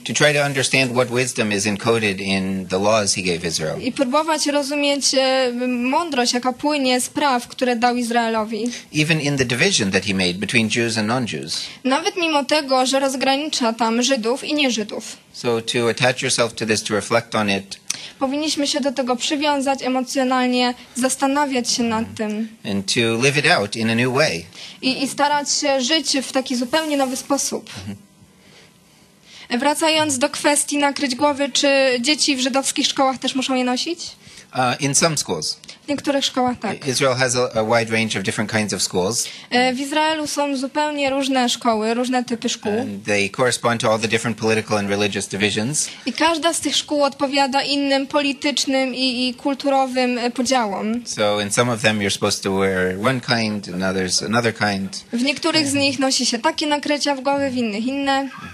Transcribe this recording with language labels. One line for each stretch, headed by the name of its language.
English: To try to understand what wisdom is encoded in the laws he gave Israel.
Polish: I próbować rozumieć mądrość, jaka płynie z praw, które dał Izraelowi.
English: Even in the division that he made between Jews and non-Jews.
Polish: Nawet mimo tego, że rozgranicza tam Żydów i nieżydów.
English: So to attach yourself to this, to reflect on it.
Polish: Powinniśmy się do tego przywiązać emocjonalnie, zastanawiać się nad tym.
English: And to live it out in a new way.
Polish: I starać się żyć w taki zupełnie nowy sposób. Mm-hmm. Wracając do kwestii nakryć głowy, czy dzieci w żydowskich szkołach też muszą je nosić?
English: In some schools.
Polish: W niektórych szkołach tak.
English: Israel has a wide range of different kinds of schools.
Polish: W Izraelu są zupełnie różne szkoły, różne typy szkół.
English: And they correspond to all the different political and religious divisions.
Polish: I każda z tych szkół odpowiada innym politycznym i kulturowym podziałom.
English: So in some of them you're supposed to wear one kind, in others another kind.
Polish: W niektórych z nich nosi się takie nakrycia w głowie, w innych inne.